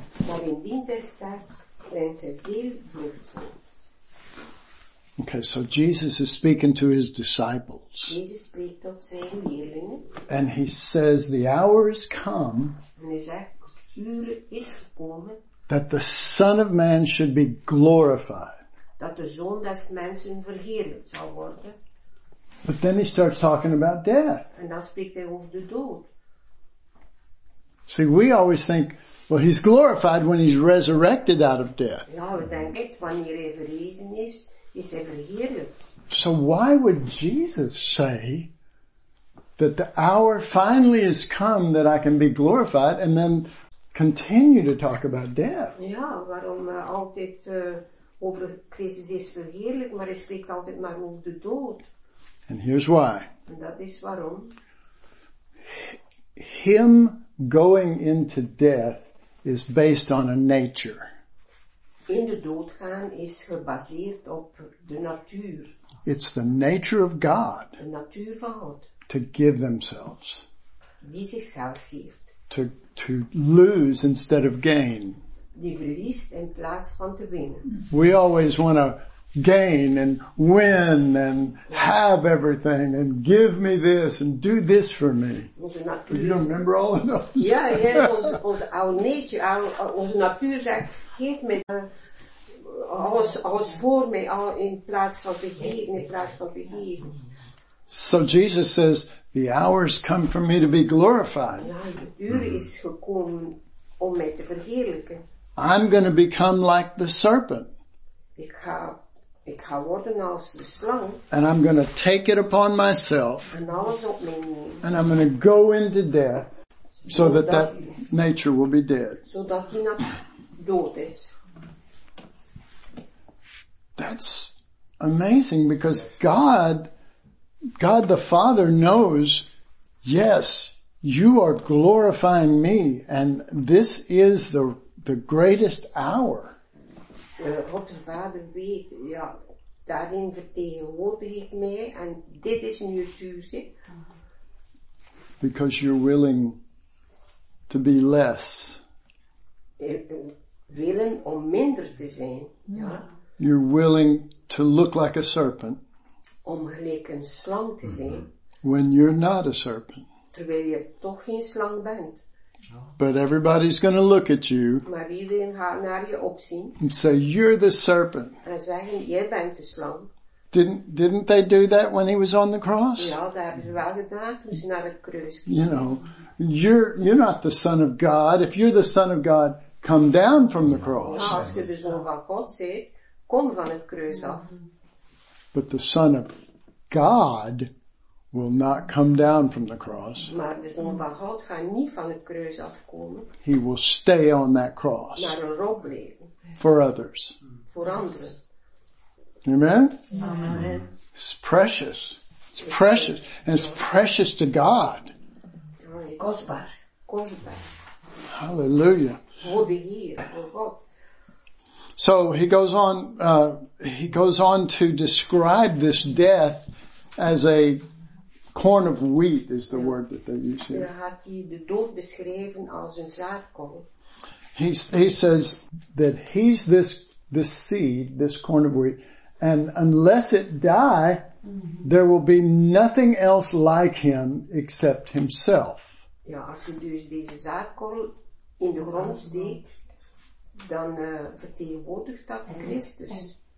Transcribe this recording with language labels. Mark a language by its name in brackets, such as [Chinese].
[Dutch] Maar indien zij sterft, brengt ze veel vrucht. [English] Okay, so Jesus is speaking to his disciples. [Dutch] Jesus spreekt tot zijn leerlingen. [English] And he says, the hour is come. [Dutch] En hij zegt, de uur is gekomen. [English] That the Son of Man should be glorified. [Dutch] Dat de Zoon des mensen verheerlijkt zal worden. [English] But then he starts talking about death. And now speak they of the dood. See, we always think Well, he's glorified when he's resurrected out of death. [Dutch] Ja, we denken het, wanneer hij verrezen is, is hij verheerlijk. [English] So why would Jesus say that the hour finally has come that I can be glorified and then continue to talk about death? [Dutch] Ja, waarom altijd over Christus is verheerlijk, maar hij spreekt altijd maar over de dood. [English] And here's why. [Dutch] En dat is waarom. [English] Him going into death is based on a nature. [Dutch] In de dood gaan is gebaseerd op de natuur. [English] It's the nature of God. [Dutch] De natuur van God. [English] To give themselves. [Dutch] Die zichzelf geeft. [English] To lose instead of gain. [Dutch] Die verliest in plaats van te winnen. [English] We always want to gain and win and have everything and give me this and do this for me. [Dutch] Onze [English] you don't remember all of those? [Dutch] Ja, ja, onze oude nature, onze natuur zegt, geef me alles voor me, al in plaats van te geven, in plaats van te geven. [English] So Jesus says, the hour has come for me to be glorified. [Dutch] Ja, de uur is gekomen om mij te verheerlijken. [English] I'm going to become like the serpent. [Dutch] Ik ga worden als de slang. [English] And I'm going to take it upon myself. [Dutch] En alles op mij nemen. [English] And I'm going to go into death so that that nature will be dead. [Dutch] Zodat die nat dood is. [English] That's amazing because God the Father knows, yes, you are glorifying me and this is the greatest hour. [Dutch] God de Vader weet, ja, daarin vertegenwoordig ik mij en dit is nu het uur, zie. [English] Because you're willing to be less. [Dutch] Willen om minder te zijn, ja. [English] You're willing to look like a serpent. [Dutch] Om gelijk een slang te zijn. [English] When you're not a serpent. [Dutch] Terwijl je toch geen slang bent. [English] But everybody's going to look at you. [Dutch] Maar iedereen gaat naar je opzien. [English] And say, you're the serpent. [Dutch] En zeggen, jij bent de slang. [English] Didn't they do that when he was on the cross? [Dutch] Ja, dat hebben ze wel gedaan toen ze naar het kruis gingen. [English] You know, you're not the son of God. If you're the son of God, come down from the cross. [Dutch] Ja, als je de zoon van God bent, kom van het kruis af. [English] But the Son of God will not come down from the cross. [Dutch] Maar de Zoon van God gaat niet van het kruis afkomen. [English] He will stay on that cross. [Dutch] Naar een rok blijven. [English] For others. [Dutch] Voor anderen. [English] Amen? Amen. It's precious. It's precious. And it's precious to God. [Dutch] Kostbaar. Kostbaar. Hallelujah. Voor de Heer, voor God. [English] So he goes on to describe this death as a corn of wheat is the word that they use here. [Dutch] Had hij de dood beschreven als een zaadkorn. [English] He says that he's this seed, this corn of wheat, and unless it die, there will be nothing else like him except himself. [Dutch] Ja, als je dus deze zaadkorn in de grond steekt, dan vertegenwoordigt dat Christus.